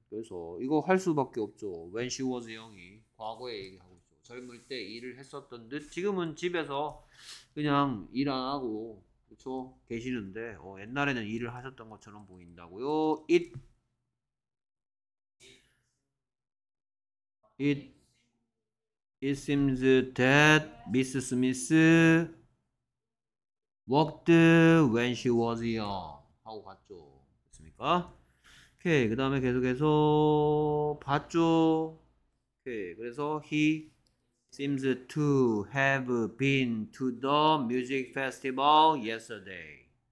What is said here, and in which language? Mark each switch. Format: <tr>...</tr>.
<ko>그래서 이거 할 수밖에 없죠.</ko> <en>When she was young</en> <ko>이 과거에 얘기하고 있죠. 젊을 때 일을 했었던 듯. 지금은 집에서 그냥 일안 하고 그렇죠? 계시는데 옛날에는 일을 하셨던 것처럼 보인다고요.</ko> <en>It seems that Miss Smith worked when she was young</en> <ko>하고 갔죠. 됐습니까? 오케이. 그 다음에 계속해서 봤죠. 오케이.</ko> <en>그래서 he seems to have been to the music festival yesterday.</en>